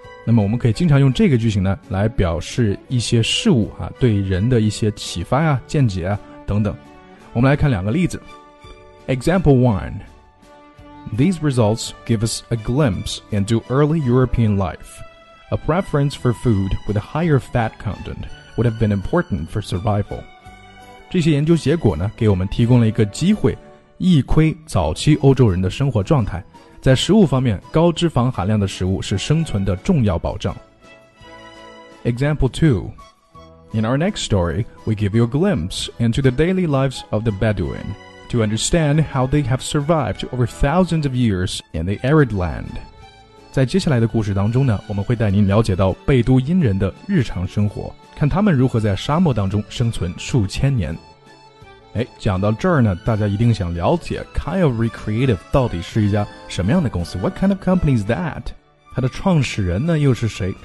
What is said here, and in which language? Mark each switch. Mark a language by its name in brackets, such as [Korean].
[Chinese] 那么我们可以经常用这个句型呢，来表示一些事物啊，对人的一些启发啊、见解啊等等。我们来看两个例子。 [English] Example 1. These results give us a glimpse into early European life. A preference for food with a higher fat content would have been important for survival. [Chinese] 这些研究结果呢，给我们提供了一个机会，一窥早期欧洲人的生活状态。在食物方面，高脂肪含量的食物是生存的重要保障。 [English] Example 2. In our next story, we give you a glimpse into the daily lives of the Bedouin. To understand how they have survived over thousands of years in the arid land. [Chinese] 在接下来的故事当中呢，我们会带您了解到贝都因人的日常生活，看他们如何在沙漠当中生存数千年。哎，讲到这儿呢，大家一定想了解 Kyle Recreative 到底是一家什么样的公司？ [English] What kind of company is that? [Chinese] 它的创始人呢又是谁？